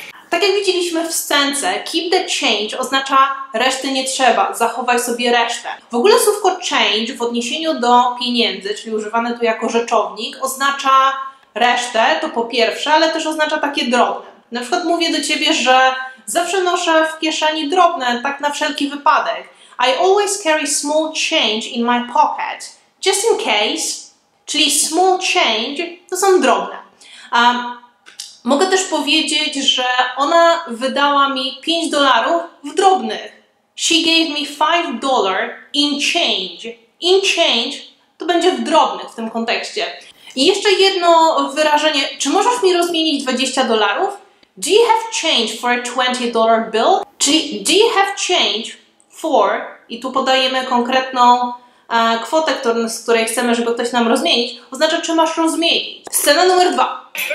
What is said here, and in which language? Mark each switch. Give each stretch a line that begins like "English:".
Polish: Tak jak widzieliśmy w scence,
English: keep the change
Polish: oznacza reszty nie trzeba, zachowaj sobie resztę. W ogóle słówko change w odniesieniu do pieniędzy, czyli używane tu jako rzeczownik, oznacza resztę, to po pierwsze, ale też oznacza takie drobne. Na przykład mówię do ciebie, że zawsze noszę w kieszeni drobne, tak na wszelki wypadek.
English: I always carry small change in my pocket, just in case.
Polish: Czyli
English: small change
Polish: to są drobne. Mogę też powiedzieć, że ona wydała mi 5 dolarów w drobnych.
English: She gave me $5 in change. In change
Polish: to będzie w drobnych w tym kontekście. I jeszcze jedno wyrażenie. Czy możesz mi rozmienić 20 dolarów?
English: Do you have change for a $20 bill?
Polish: Czyli
English: do you have change for,
Polish: i tu podajemy konkretną kwotę, z której chcemy, żeby ktoś nam rozmienić, oznacza, czy masz rozmienić. Scena numer 2.